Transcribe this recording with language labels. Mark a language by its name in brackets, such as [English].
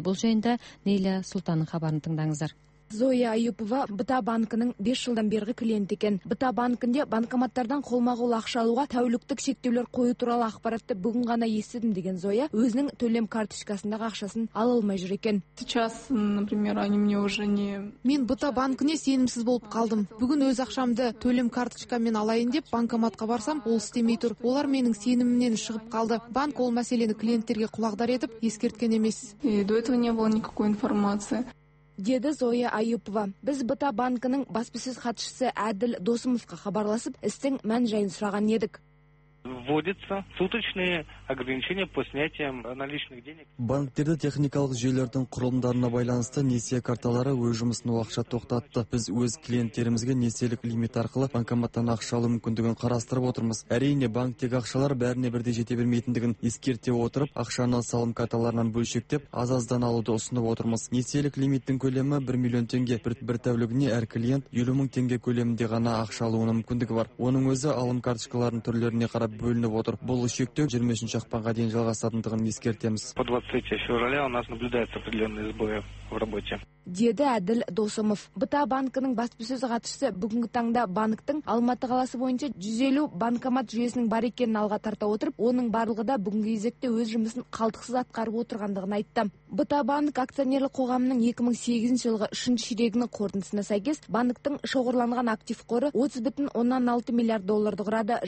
[Kazakh] Бұл жайында Нейля Сұлтанның хабарын тыңдаңыздар. Зоя Аюпова БТА банкының 5 жылдан бергі клиенті екен. БТА банкінде банкоматтардан қолма-қол ақша алуға тәуліктік шектеулер қою туралы ақпаратты бүгін ғана естідім, деген Зоя өзінің төлем карточкасындағы ақшасын ала алмай жүр екен. [Russian] Сейчас, например, они мне уже не. [Kazakh] Мен БТА банкіне сенімсіз болып қалдым. Бүгін өз ақшамды төлем карточкаммен алайын деп банкоматқа барсам, ол істемей тұр. Олар менің сенімімнен шығып қалды. Банк ол мәселені клиенттерге құлақдар етіп ескерткен емес. [Russian] И до этого не было никакой информации. [Kazakh] Деді Зоя Аюпова. Біз БТА банкының баспасөз хатшысы Әділ Досымовқа хабарласып, істің мән-жайын сұраған едік. Банктерді техникалық жүйелердің құрылымдарына байланысты несие карталары өз жұмысын уақытша тоқтатты. Біз өз клиенттерімізге несиелік лимит арқылы банкоматтан ақша алу мүмкіндігін қарастырып отырмыз. Әрине, банктегі ақшалар бәріне бірдей жете бермейтіндігін ескерте отырып, ақшаны салым карталарынан бөлшектеп, аз-аздан алуды ұсынып отырмыз. Несиелік лимиттің көлемі 1 миллион теңге. Бір тәулігіне әр клиент 50 мың теңге көлемінде ғана ақша алуына мүмкіндігі бар. Оның өзі алым карточкаларының түрлеріне қарап бөлініп отыр. Бұл шектеу 25 ақпанға дейін жалғасатындығын ескертеміз. [Russian] По 23 февраля у нас наблюдается определенные сбои в работе. [Kazakh] Деді Әділ Досымов. БТА банкының баспасөз хатшысы бүгінгі таңда банктың Алматы қаласы бойынша 150 банкомат жүйесінің бар екенін алға тарта отырып, оның барлығы да бүгінгі кезекте өз жұмысын қалдықсыз атқарып отырғандығын айтты. БТА банк акционерлік қоғамының 2008 жылғы 3-ші ширегінің қорытындысына сәйкес банктің шоғырланған актив қоры 30.6 миллиард долларды құрады.